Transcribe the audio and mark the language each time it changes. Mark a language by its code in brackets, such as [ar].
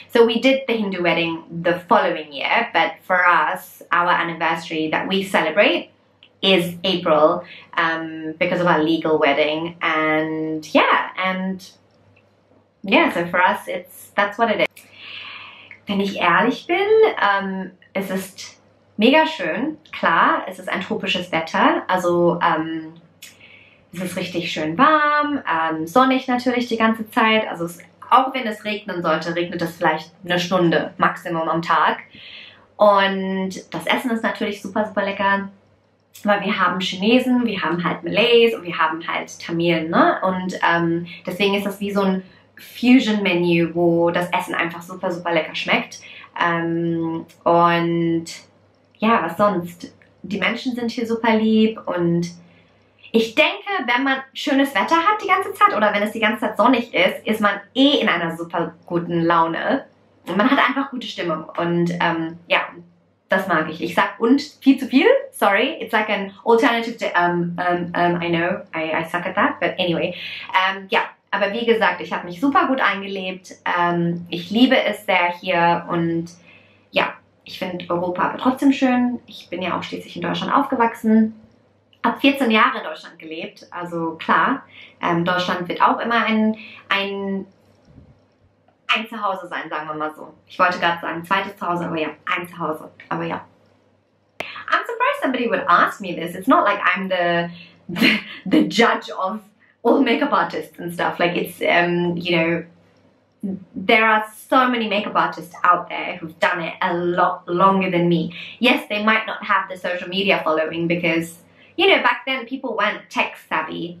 [en] So we did the Hindu wedding the following year, but for us, our anniversary that we celebrate is April, because of our legal wedding. And yeah, so for us, that's what it is. [de] Wenn ich ehrlich bin, es ist mega schön, klar, es ist ein tropisches Wetter, also es ist richtig schön warm, sonnig natürlich die ganze Zeit, also es, auch wenn es regnen sollte, regnet es vielleicht eine Stunde Maximum am Tag, und das Essen ist natürlich super, super lecker, weil wir haben Chinesen, wir haben halt Malays und wir haben halt Tamilen, ne? Und deswegen ist das wie so ein Fusion-Menü, wo das Essen einfach super, super lecker schmeckt. Und ja, was sonst? Die Menschen sind hier super lieb, und ich denke, wenn man schönes Wetter hat die ganze Zeit, oder wenn es die ganze Zeit sonnig ist, ist man eh in einer super guten Laune. Und man hat einfach gute Stimmung, und ja, das mag ich. Ich sag und viel zu viel, sorry. [en] It's like an alternative to, I know, I suck at that, but anyway. Ja, [de] Aber wie gesagt, ich habe mich super gut eingelebt. Ich liebe es sehr hier und ja, ich finde Europa aber trotzdem schön. Ich bin ja auch schließlich in Deutschland aufgewachsen. Hab 14 Jahre in Deutschland gelebt, also klar, Deutschland wird auch immer ein Zuhause sein, sagen wir mal so. Ich wollte gerade sagen, zweites Zuhause, aber ja, ein Zuhause, aber ja. [en] I'm surprised somebody would ask me this. It's not like I'm the judge of all makeup artists and stuff. Like it's, you know, there are so many makeup artists out there who've done it a lot longer than me. Yes, they might not have the social media following because, you know, back then people weren't tech savvy.